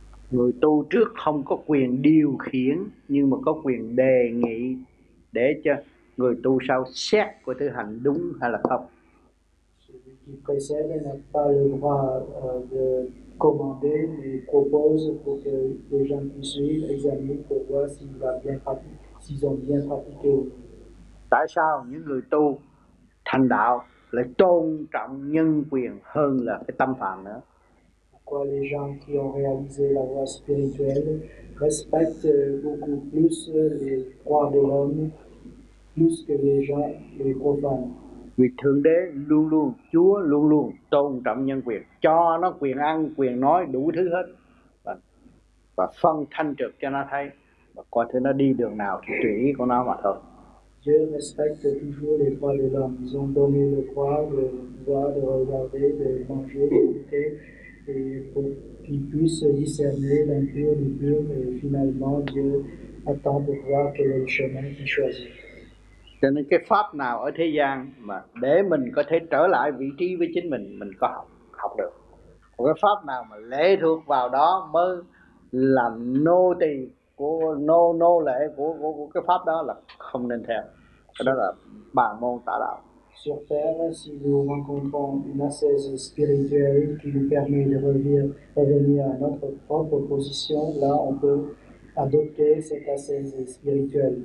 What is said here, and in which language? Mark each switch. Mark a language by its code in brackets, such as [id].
[vi] Người tu trước không có quyền điều khiển nhưng mà có quyền đề nghị để cho người tu sau xét của thứ hành đúng hay là không. [fr] Qui précède n'a pas le droit de commander, mais propose pour que les gens puissent suivre, examiner pour voir s'ils ont bien pratiqué, s'ils ont bien pratiqué. [vi] Tại sao những người tu thành đạo lại tôn trọng nhân quyền hơn là cái tâm phạm nữa? [fr] Pourquoi les gens qui ont réalisé la voie spirituelle respectent beaucoup plus les droits de l'homme plus que les gens les profanes? [vi] Vì Thượng Đế luôn luôn, Chúa luôn luôn tôn trọng nhân quyền, cho nó quyền ăn, quyền nói, đủ thứ hết. Và phân thanh trực cho nó thấy, và coi thử nó đi đường nào thì tùy ý của nó mà thôi. [fr] Dieu respecte toujours les droits de l'homme. Ils ont donné le droit, le droit de regarder, de manger, d'écouter, et pour qu'ils puissent discerner l'impur, l'impur, et finalement Dieu attend de voir quel est le chemin qu'il choisit. [vi] Cho nên cái pháp nào ở thế gian mà để mình có thể trở lại vị trí với chính mình có học được. Còn cái pháp nào mà lệ thuộc vào đó mới làm nô tì của nô lệ của cái pháp đó là không nên theo. Cái đó là bàn môn tà đạo. [fr] Sur terre, si nous rencontrons une ascèse spirituelle qui nous permet de revenir à notre propre position, là on peut adopter cette ascèse spirituelle.